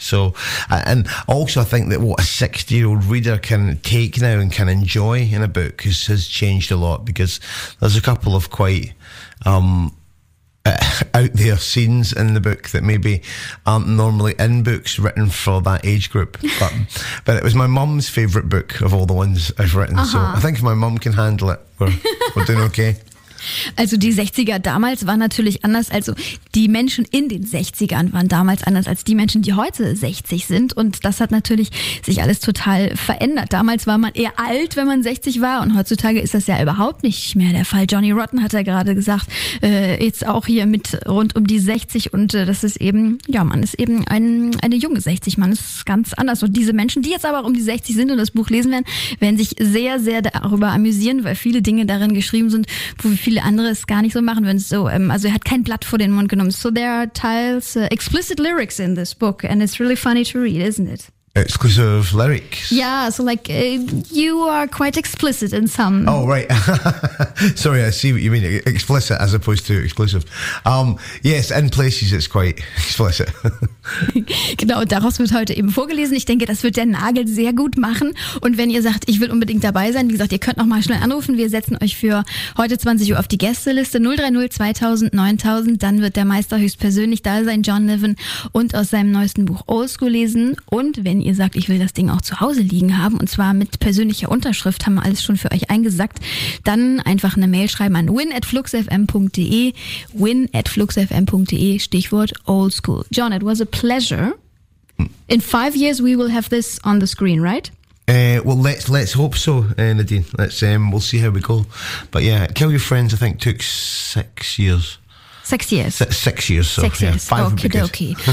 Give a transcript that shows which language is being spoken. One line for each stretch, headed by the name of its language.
English: So, and also I think that what a 60-year-old reader can take now and can enjoy in a book has changed a lot, because there's a couple of quite... out there scenes in the book that maybe aren't normally in books written for that age group. But it was my mum's favourite book of all the ones I've written. Aha. So I think if my mum can handle it, we're doing okay.
German: Also die 60er damals waren natürlich anders, also die Menschen in den 60ern waren damals anders als die Menschen, die heute 60 sind, und das hat natürlich sich alles total verändert. Damals war man eher alt, wenn man 60 war, und heutzutage ist das ja überhaupt nicht mehr der Fall. Johnny Rotten hat ja gerade gesagt, jetzt auch hier mit rund um die 60, und das ist eben, ja, man ist eben eine junge 60, man ist ganz anders. Und diese Menschen, die jetzt aber auch um die 60 sind und das Buch lesen werden sich sehr, sehr darüber amüsieren, weil viele Dinge darin geschrieben sind, wo wir viele andere es gar nicht so machen würden. So, also er hat kein Blatt vor den Mund genommen.
English: So there are tiles, explicit lyrics in this book and it's really funny to read, isn't it? Exclusive lyrics? Yeah, so like you are quite explicit in some. Oh, right. Sorry, I see what you mean. Explicit as opposed to exclusive. Yes, in places it's quite explicit.
German: Genau, daraus wird heute eben vorgelesen. Ich denke, das wird der Nagel sehr gut machen. Und wenn ihr sagt, ich will unbedingt dabei sein, wie gesagt, ihr könnt nochmal schnell anrufen. Wir setzen euch für heute 20 Uhr auf die Gästeliste 030 2000 9000. Dann wird der Meister höchstpersönlich da sein, John Niven, und aus seinem neuesten Buch Old School lesen. Und wenn ihr sagt, ich will das Ding auch zu Hause liegen haben, und zwar mit persönlicher Unterschrift, haben wir alles schon für euch eingesackt, dann einfach eine Mail schreiben an win@fluxfm.de. win@fluxfm.de, Stichwort Old School.
English: John, it was a pleasure. In 5 years we will have this on the screen, right? Well, let's hope so, Nadine. We'll see how we go. But yeah, Kill Your Friends, I think, took 6 years. 6 years. Six years. So, six years. Yeah, five. Okay.